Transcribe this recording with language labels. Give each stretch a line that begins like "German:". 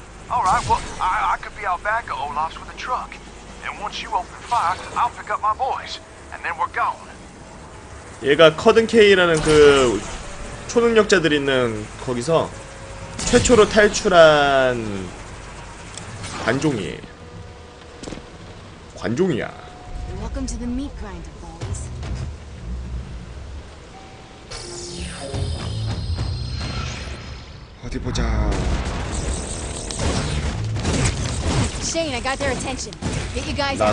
English: All right, well, I could be out back at Olaf's with a truck. And once you open fire, I'll pick up my boys. And then we're gone.
Korean: 얘가 커든 K라는 그 초능력자들 있는 거기서 최초로 탈출한 관종이에요. 관종이야.
English: Welcome to the meat grinder, boys.
Korean: 어디 보자.
English: Shane, I got their attention. Get you guys out.